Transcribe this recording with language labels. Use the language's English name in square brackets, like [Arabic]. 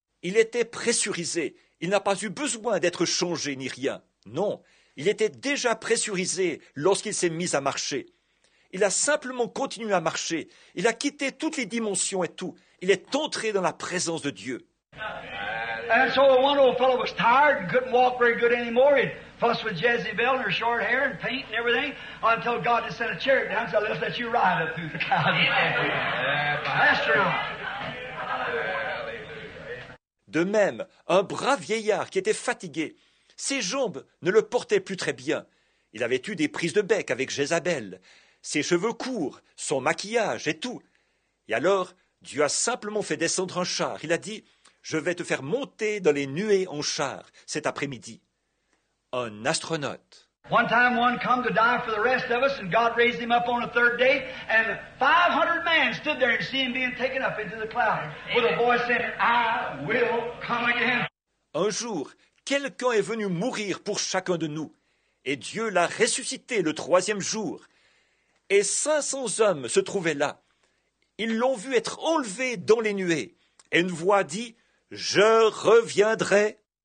[French] Il était pressurisé. Il n'a pas eu besoin d'être changé ni rien. Non, il était déjà pressurisé lorsqu'il s'est mis à marcher. Il a simplement continué à marcher. Il a quitté toutes les dimensions et tout. Il est entré dans la présence de Dieu. [English] And so one old fellow was tired and couldn't walk very good anymore. He'd fuss with Jezebel and her short hair and paint and everything until God just sent a chariot down and said, let's let you ride up through the clouds. Astronaut. [French] De même, un brave vieillard qui était fatigué, ses jambes ne le portaient plus très bien. Il avait eu des prises de bec avec Jézabel, ses cheveux courts, son maquillage et tout. Et alors, Dieu a simplement fait descendre un char. Il a dit, « Je vais te faire monter dans les nuées en char cet après-midi. » Un astronaute. [English] One time one come to die for the rest of us, and God raised him up on the third day, and 500 men stood there and see him being taken up into the cloud, with a voice saying, I will come again. [French] Un jour, quelqu'un est venu mourir pour chacun de nous, et Dieu l'a ressuscité le troisième jour. Et 500 hommes se trouvaient là. Ils l'ont vu être enlevé dans les nuées, et une voix dit, je reviendrai.